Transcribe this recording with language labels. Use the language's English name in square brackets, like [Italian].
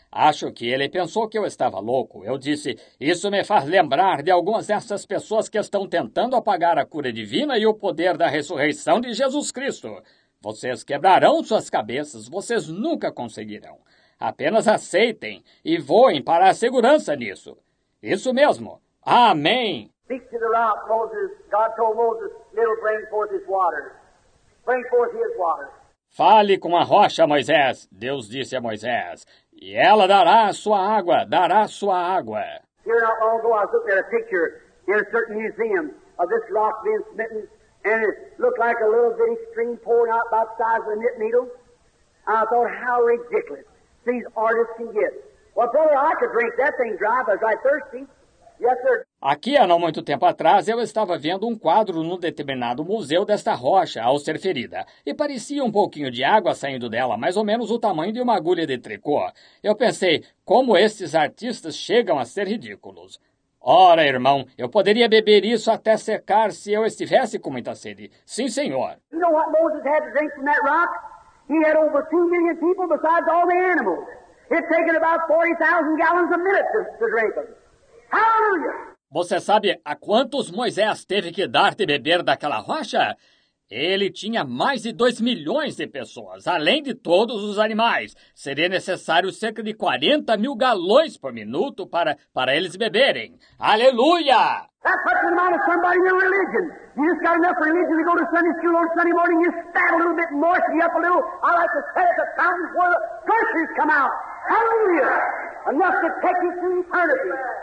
[Portuguese] Acho que ele pensou que eu estava louco. Eu disse, isso me faz lembrar de algumas dessas pessoas que estão tentando apagar a cura divina e o poder da ressurreição de Jesus Cristo. Vocês quebrarão suas cabeças, vocês nunca conseguirão. Apenas aceitem e voem para a segurança nisso. Isso mesmo. Amém. [English] Speak to the rock, Moses. God told Moses, it'll bring forth his water. Bring forth his water. [Portuguese] Fale com a rocha, Moisés, Deus disse a Moisés, e ela dará a sua água, dará a sua água. [English] Here not long ago, I was looking at a picture in a certain museum of this rock being smitten, and it looked like a little bitty stream pouring out about the size of a knit needle. I thought, how ridiculous these artists can get. Well, brother, I could drink that thing dry, but I'm thirsty. Yes, sir. [Portuguese] Aqui, há não muito tempo atrás, eu estava vendo um quadro no determinado museu desta rocha ao ser ferida. E parecia um pouquinho de água saindo dela, mais ou menos o tamanho de uma agulha de tricô. Eu pensei, como esses artistas chegam a ser ridículos. Ora, irmão, eu poderia beber isso até secar se eu estivesse com muita sede. Sim, senhor. [English] You know what Moses had to drink from that rock? He had over 2 million people besides all the animals. It taken about 40,000 gallons a minute to drink them. Hallelujah! [Portuguese] Você sabe a quantos Moisés teve que dar de beber daquela rocha? Ele tinha mais de 2 milhões de pessoas, além de todos os animais. Seria necessário cerca de 40 mil galões por minuto para eles beberem. Aleluia! [English] That's what's in the mind of somebody in religion. You just got enough religion to go to Sunday school on Sunday morning, you stab a little bit and moisten you up a little. I like to say the fountains where the curses come out. Hallelujah! Enough to take you to eternity.